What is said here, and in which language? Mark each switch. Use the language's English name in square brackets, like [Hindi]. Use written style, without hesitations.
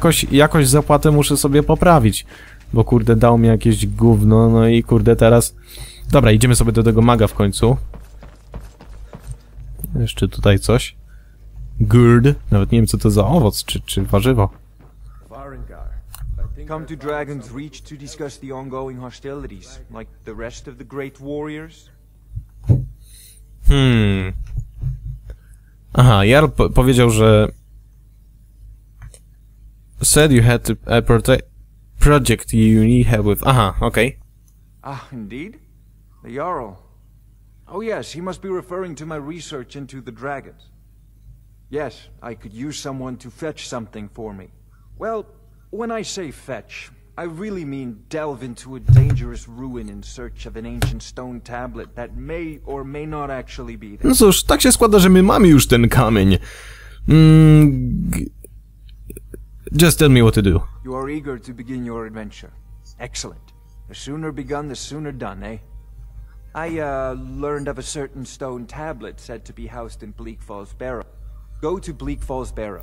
[Polish] Jakoś zapłatę muszę sobie poprawić. Bo kurde, dał mi jakieś gówno, no i kurde, teraz... Dobra, idziemy sobie do tego maga w końcu. Jeszcze tutaj coś. Gird. Nawet nie wiem, co to za owoc, czy warzywo. [English] Come to Dragon's Reach to discuss the ongoing hostilities, like the rest of the great warriors. [Polish] Aha, Jarl powiedział, że... [English] Said you had to protect... Project you need help with. [Polish] Aha, okay. [English] Ah, indeed? The Jarl. Oh yes, he must be referring to my research into the dragons. Yes, I could use someone to fetch something for me. Well, when I say fetch, I really mean delve into a dangerous ruin in search of an ancient stone tablet that may or may not actually be there. [Polish] No cóż, tak się składa, że my mamy już ten kamień. [English] Just tell me what to do. You are eager to begin your adventure. Excellent. The sooner begun, the sooner done, eh? I learned of a certain stone tablet said to be housed in Bleak Falls Barrow. Go to Bleak Falls Barrow.